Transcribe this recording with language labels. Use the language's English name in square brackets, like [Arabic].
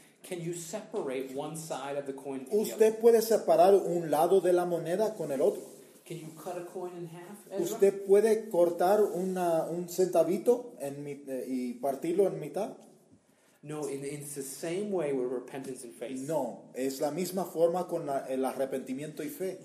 [English] Can you separate one side of the coin? [Spanish] Usted puede separar un lado de la moneda con el otro. [English] Can you cut a coin in half, Ezra? [Spanish] ¿Usted puede cortar un centavito y partirlo en mitad? [English] No, it's the same way with repentance and faith. [Spanish] No, es la misma forma con el arrepentimiento y fe.